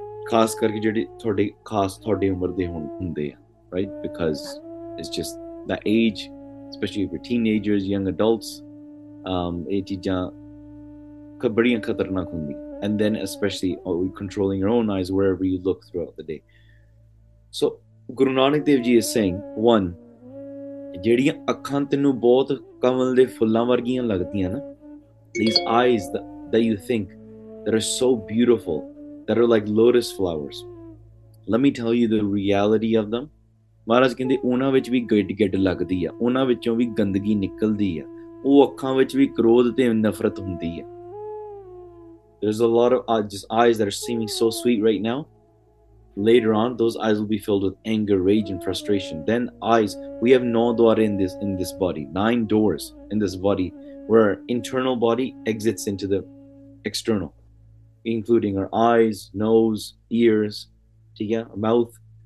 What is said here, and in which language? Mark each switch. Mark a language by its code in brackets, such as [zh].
[pa] Khas karke jehde thode khas thode umar de hunde aa, right? [en] Because it's just that age, especially if you're teenagers, young adults, [pa] badiyan khatarnak hundi. [en] And then especially controlling your own eyes wherever you look throughout the day. So Guru Nanak Dev ji ਇਸ ਸਿੰਘ ਵਨ, [pa] ਜਿਹੜੀਆਂ ਅੱਖਾਂ ਤੈਨੂੰ ਬਹੁਤ ਕਮਲ ਦੇ ਫੁੱਲਾਂ ਵਰਗੀਆਂ ਲੱਗਦੀਆਂ ਨਾ, [en] These eyes that you think that are so beautiful, that are like lotus flowers, let me tell you the reality of them. [pa] ਮਹਾਰਾਜ ਕਹਿੰਦੇ ਉਹਨਾਂ ਵਿੱਚ ਵੀ ਗਿੱਡ ਗਿੱਡ ਲੱਗਦੀ ਆ, ਉਹਨਾਂ ਵਿੱਚੋਂ ਵੀ ਗੰਦਗੀ ਨਿਕਲਦੀ ਆ, ਉਹ ਅੱਖਾਂ ਵਿੱਚ ਵੀ ਕ੍ਰੋਧ ਤੇ ਨਫ਼ਰਤ ਹੁੰਦੀ ਆ। [en] There's a lot of eyes that are seeming so sweet right now. Later on, those eyes will be filled with anger, rage, and frustration. Then eyes, we have 9 dwara in this body, 9 doors in this body, where our internal body exits into the external, including our eyes, nose, ears, mouth.